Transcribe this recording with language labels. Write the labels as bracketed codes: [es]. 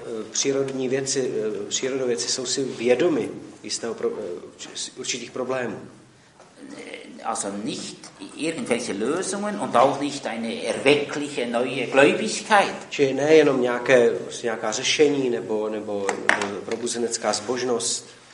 [cs] Přírodní věci, přírodovědci jsou si vědomi jistého určitých problémů. [de] Also nicht irgendwelche Lösungen und auch nicht eine erweckliche neue Gläubigkeit. [cs] Čili ne jenom nějaká řešení nebo probuzenecká zbožnost.